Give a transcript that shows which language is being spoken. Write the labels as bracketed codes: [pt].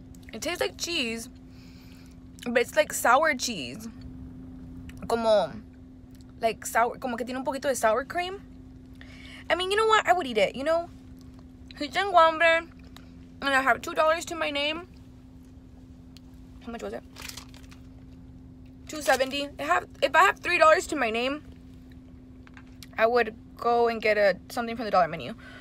[en] It tastes like cheese, but it's like sour cheese. Like sour, [es] como que tiene un poquito de sour cream. [en] I mean, you know what? I would eat it, you know? [es] Si tengo hambre, [en] and I have $2 to my name. How much was it? $270. If I have $3 to my name, I would go and get something from the dollar menu.